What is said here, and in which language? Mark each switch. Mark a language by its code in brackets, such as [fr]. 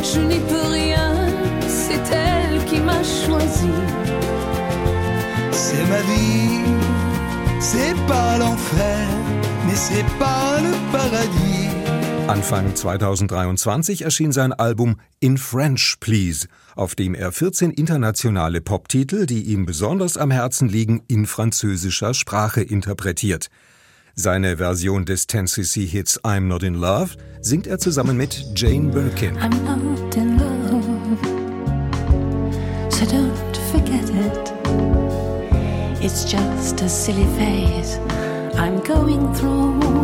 [fr] Je n'y peux rien, c'est elle qui m'a choisi. C'est ma vie, c'est pas l'enfer, mais c'est pas le paradis. [de] Anfang 2023 erschien sein Album In French Please, auf dem er 14 internationale Poptitel, die ihm besonders am Herzen liegen, in französischer Sprache interpretiert. Seine Version des 10cc-Hits I'm Not In Love singt er zusammen mit Jane Birkin. [en] I'm not in love, so don't forget it. It's just a silly phase I'm going through.